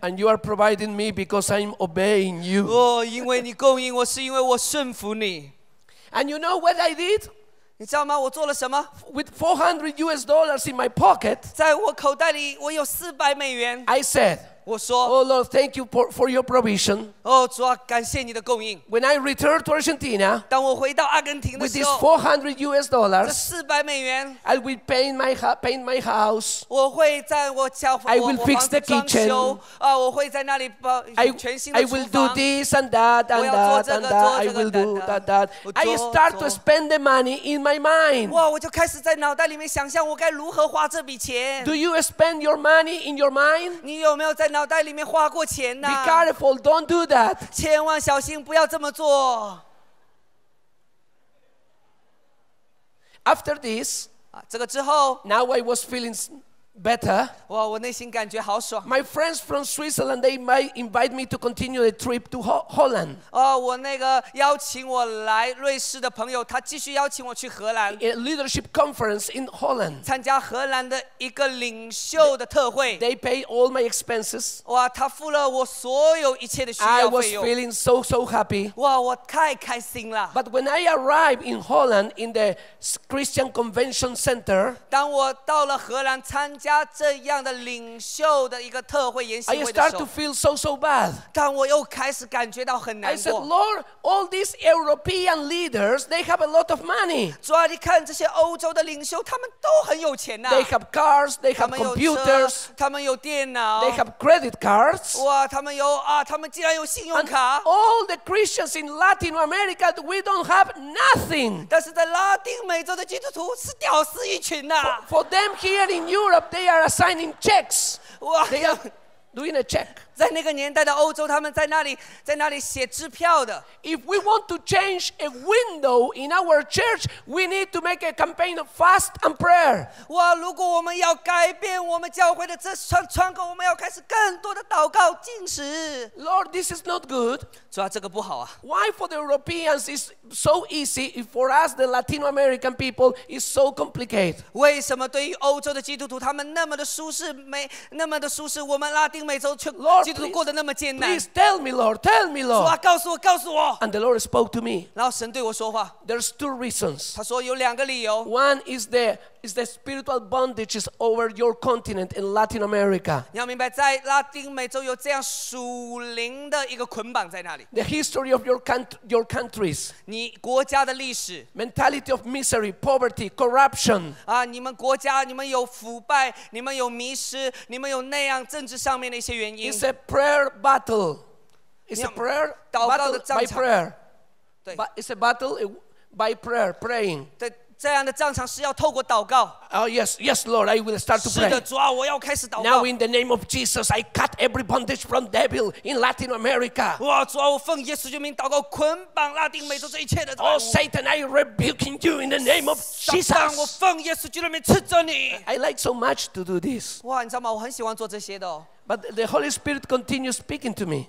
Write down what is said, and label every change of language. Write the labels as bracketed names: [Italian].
[English] And you are providing me because I'm obeying you. [Chinese] 因为你供应我，是因为我顺服你。 [English] And you know what I did? [Chinese] 你知道吗？我做了什么 [English] ？With $400 in my pocket. [Chinese] 在我口袋里，我有400美元。 [English] I said. [Chinese] 我说 [English] Oh Lord, thank you for your provision. [Chinese] 主啊，感谢你的供应。 [English] When I return to Argentina, [Chinese] 当我回到阿根廷的时候 [English] ，with this $400, [Chinese] 这400美元 [English] ，I will paint my house. [Chinese] 我会在我家， [English] I will fix the kitchen. [Chinese] 我会在那里包全新的厨房。 [English] I will do this and that and that and that. I will do that. I start to spend the money in my mind. [Chinese] 我就开始在脑袋里面想象我该如何花这笔钱。 [English] Do you spend your money in your mind? [Chinese] 你有没有在脑袋里面花过钱呢？ [English] Be careful, don't do that. [Chinese] 千万小心，不要这么做。 [English] After this, [Chinese] 这个之后 [English] ，Now I was feeling better. [Chinese] 哇，我内心感觉好爽。 [English] My friends from Switzerland, they might invite me to continue the trip to Holland. [Chinese] 我那个邀请我来瑞士的朋友，他继续邀请我去荷兰。 [English] A leadership conference in Holland. [Chinese] 参加荷兰的一个领袖的特会。 [English] They pay all my expenses. [Chinese] 哇，他付了我所有一切的需要费用。 [English] I was feeling so happy. [Chinese] 哇，我太开心了。 [English] But when I arrived in Holland in the Christian Convention Center, [Chinese] 当我到了荷兰参加这样的领袖的一个特会研习会的时候 [English] I start to feel so bad. [Chinese] 但我又开始感觉到很难过。 [English] I said, Lord, all these European leaders, they have a lot of money. [Chinese] 主啊，你看这些欧洲的领袖，他们都很有钱呐。 [English] They have cars, they have computers. [Chinese] 他们有电脑。 [English] They have credit cards. [Chinese] 哇，他们有啊，他们竟然有信用卡。 [English] All the Christians in Latin America, we don't have nothing. [Chinese] 但是在拉丁美洲的基督徒是屌丝一群呐。 [English] For them here in Europe. They are assigning checks. They are doing a check. [Chinese] 在那个年代的欧洲，他们在那里写支票的。 [English] If we want to change a window in our church, we need to make a campaign of fast and prayer. [Chinese] 哇，如果我们要改变我们教会的这扇窗口，我们要开始更多的祷告进食。 [English] Lord, this is not good. [Chinese] 主啊，这个不好啊。 [English] Why for the Europeans is so easy, if for us the Latin American people is so complicated? [Chinese] 为什么对于欧洲的基督徒，他们那么的舒适，没那么的舒适，我们拉丁美洲却 [English] Lord, [Chinese] 基督徒过得那么艰难。 [English] Please tell me, Lord. Tell me, Lord. [Chinese] 主啊，告诉我。 [English] And the Lord spoke to me. [Chinese] 然后神对我说话。 [English] There's two reasons. [Chinese] 他说有两个理由。 [English] One is the spiritual bondages over your continent in Latin America. [Chinese] 你要明白，在拉丁美洲有这样属灵的一个捆绑在那里。 [English] The history of your countries. [Chinese] 你国家的历史。 [English] Mentality of misery, poverty, corruption. [Chinese] 你们国家，你们有腐败，你们有迷失，你们有那样政治上面的一些原因。 [English] It's a prayer battle. It's a prayer battle by prayer. It's a battle by prayer, praying. [Chinese] 对，这样的战场是要透过祷告。 [English] Yes, Lord, I will start to pray. [Chinese] 是的，主啊，我要开始祷告。 [English] Now, in the name of Jesus, I cut every bondage from devil in Latin America. [Chinese] 哇，主啊，我奉耶稣之名祷告，捆绑拉丁美洲这一切的。 [English] Oh, Satan, I rebuking you in the name of Jesus. [Chinese] 撒旦，我奉耶稣之名斥责你。 [English] I like so much to do this. [Chinese] 哇，你知道吗？我很喜欢做这些的。 [English] But the Holy Spirit continues speaking to me.